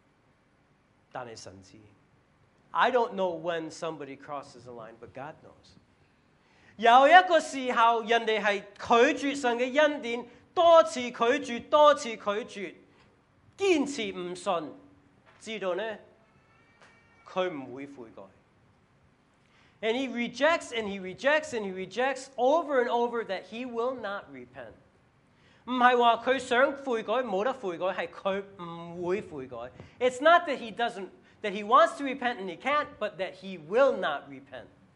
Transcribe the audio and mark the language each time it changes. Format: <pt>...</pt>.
<zh>我就不知道那个时候是几时，但是神知。</zh> <en>I don't know when somebody crosses the line, but God knows.</en> <zh>有一个时候，人家是拒绝神的恩典，多次拒绝，多次拒绝，坚持不信，知道呢，他不会悔改。</zh> <en>And he rejects and he rejects and he rejects over and over that he will not repent.</en> <zh>不是说他想悔改,没得悔改,是他不会悔改。</zh> <en>It's not that he wants to repent and he can't, but that he will not repent.</en>